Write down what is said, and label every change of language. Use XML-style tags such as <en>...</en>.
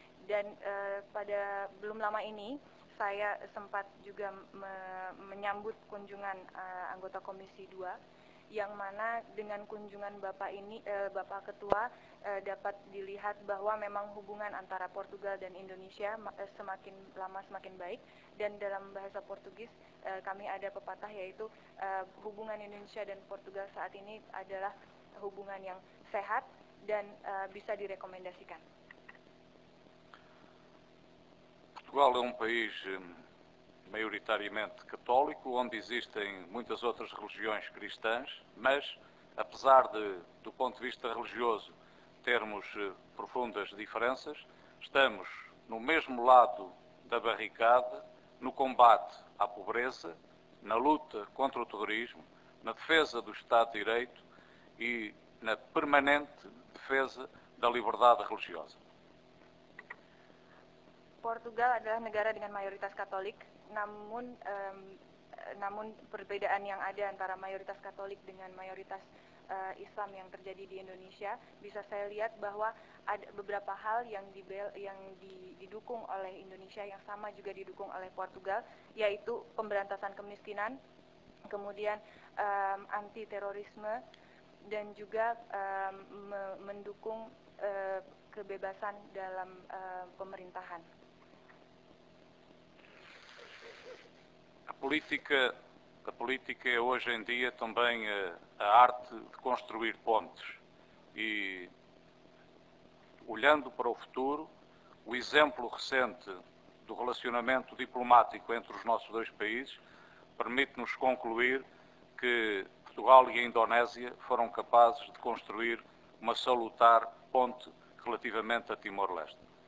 <id>Dan pada belum lama ini saya sempat juga menyambut kunjungan anggota Komisi 2, yang mana dengan kunjungan Bapak ini, Bapak Ketua, dapat dilihat bahwa memang hubungan antara Portugal dan Indonesia semakin lama semakin baik. Dan dalam bahasa Portugis kami ada pepatah, yaitu hubungan Indonesia dan Portugal saat ini adalah hubungan yang sehat dan bisa direkomendasikan.</id> <pt>Portugal é país maioritariamente católico, onde existem muitas outras religiões cristãs, mas, apesar de, do ponto de vista religioso, termos profundas diferenças, estamos no mesmo lado da barricada, no combate à pobreza, na luta contra o terrorismo, na defesa do Estado de Direito e na permanente defesa da liberdade religiosa.</pt> <id>Portugal adalah negara dengan mayoritas Katolik, namun perbedaan yang ada antara mayoritas Katolik dengan mayoritas Islam yang terjadi di Indonesia, bisa saya lihat bahwa ada beberapa hal yang didukung oleh Indonesia yang sama juga didukung oleh Portugal, yaitu pemberantasan kemiskinan, kemudian anti-terorisme, dan juga mendukung kebebasan dalam pemerintahan.</id> <pt>A política é hoje em dia também a arte de construir pontes. E, olhando para o futuro, o exemplo recente do relacionamento diplomático entre os nossos dois países permite-nos concluir que Portugal e a Indonésia foram capazes de construir uma salutar ponte relativamente a Timor-Leste.</pt>